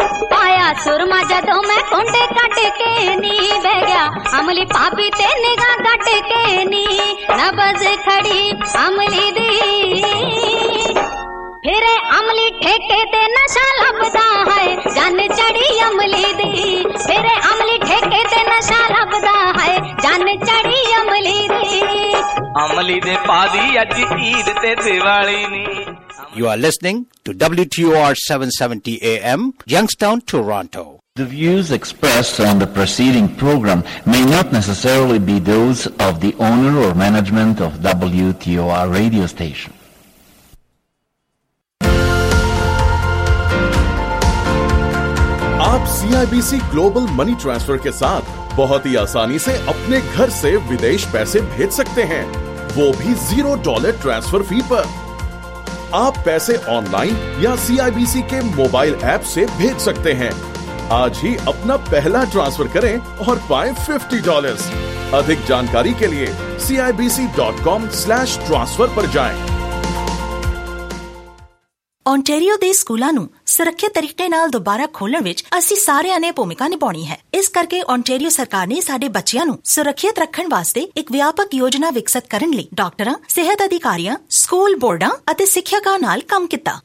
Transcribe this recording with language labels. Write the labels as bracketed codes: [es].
[pa] ਪਾਇਆ ਸੁਰਮਾ ਜਦੋਂ ਮੈਂ ਕੁੰਡ ਕੱਟ ਕੇ ਨੀ ਬਹਿ ਗਿਆ, ਅਮਲੀ ਭਾਬੀ ਤੇ ਨਿਗਾਹ ਕੱਟ ਕੇ ਨੀ, ਨਬਜ਼ ਖੜੀ ਅਮਲੀ ਦੀ। ਫਿਰ ਅਮਲੀ ਠੇਕੇ ਤੇ ਨਸ਼ਾ ਲੱਭਦਾ ਹੈ, ਜਨ ਚੜੀ ਅਮਲੀ ਦੀ। ਫਿਰ ਅਮਲੀ ਠੇਕੇ ਤੇ ਨਸ਼ਾ ਲੱਭਦਾ ਹੈ, ਜਨ ਚੜੀ ਅਮਲੀ ਦੀ। ਅਮਲੀ ਦੇ ਪਾਦੀ ਅੱਜ ਈਦ ਤੇ ਦੀਵਾਲੀ ਨੀ। [en] You are listening to WTUR 770 AM, Youngstown, Toronto. The views expressed on the preceding program may not necessarily be those of the owner or management of WTUR radio station. [hi] Aap CIBC Global Money Transfer ke saath bahut hi aasani se apne ghar se videsh paise bhej sakte hain, wo bhi $0 transfer fee par. आप पैसे online या CIBC के mobile app से भेज सकते हैं। आज ही अपना पहला ट्रांसफर करें और पाएं $50। अधिक जानकारी के लिए cibc.com/transfer पर जाएं। [pa] ਓਨਟੇਰੀਓ ਦੇ ਸਕੂਲਾਂ ਨੂੰ ਸੁਰੱਖਿਅਤ ਤਰੀਕੇ ਨਾਲ ਦੁਬਾਰਾ ਖੋਲਣ ਵਿੱਚ ਅਸੀਂ ਸਾਰਿਆਂ ਨੇ ਭੂਮਿਕਾ ਨਿਭਾਉਣੀ ਹੈ। ਇਸ ਕਰਕੇ ਓਨਟੇਰੀਓ ਸਰਕਾਰ ਨੇ ਸਾਡੇ ਬੱਚਿਆਂ ਨੂੰ ਸੁਰੱਖਿਅਤ ਰੱਖਣ ਵਾਸਤੇ ਇੱਕ ਵਿਆਪਕ ਯੋਜਨਾ ਵਿਕਸਿਤ ਕਰਨ ਲਈ ਡਾਕਟਰਾਂ, ਸਿਹਤ ਅਧਿਕਾਰੀਆਂ, ਸਕੂਲ ਬੋਰਡਾਂ ਅਤੇ ਸਿੱਖਿਅਕਾਂ ਨਾਲ ਕੰਮ ਕੀਤਾ।